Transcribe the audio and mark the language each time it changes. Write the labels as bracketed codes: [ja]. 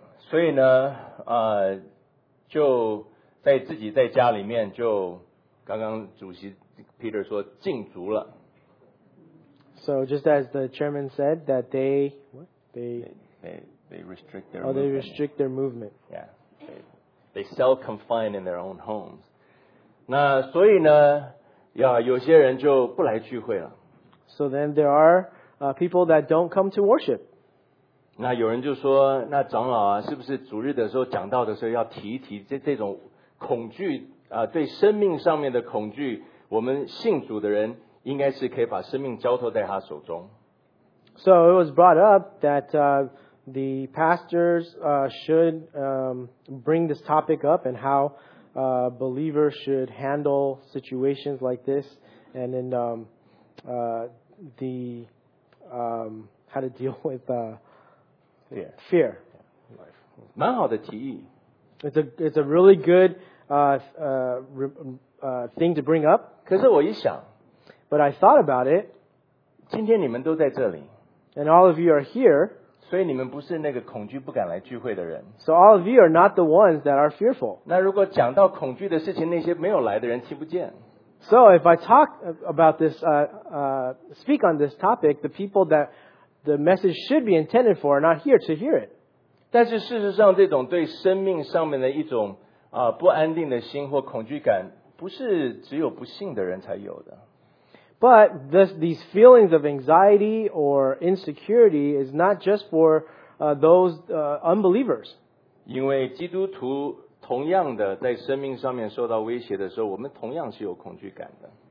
[zh] 所以呢，就在自己在家里面，就刚刚主席 Peter 说禁足了。 [en] So just as the chairman said that they restrict their movement. Yeah, they self confine in their own homes. [zh] 那所以呢，呀，有些人就不来聚会了。 [en] So then there are people that don't come to worship. [zh] 那有人就说，那长老啊，是不是主日的时候讲到的时候要提一提这种恐惧啊，对生命上面的恐惧，我们信主的人应该是可以把生命交托在他手中。 [en] So it was brought up that the pastors should bring this topic up and how believers should handle situations like this and then how to deal with fear. [zh] 蛮好的提议。 [en] It's a really good thing to bring up. [zh] 可是我一想。 [en] But I thought about it. [zh] 今天你们都在这里。 [en] And all of you are here. [zh] 所以你们不是那个恐惧不敢来聚会的人。 [en] So all of you are not the ones that are fearful. [zh] 那如果讲到恐惧的事情，那些没有来的人听不见。 [en] So if I talk about this, speak on this topic, the people that the message should be intended for are not here to hear it. [zh] 但是事实上，这种对生命上面的一种不安定的心或恐惧感，不是只有不信的人才有的。 [en] But these feelings of anxiety or insecurity is not just for those unbelievers. [zh] 因为基督徒同样的，在生命上面受到威胁的时候，我们同样是有恐惧感的。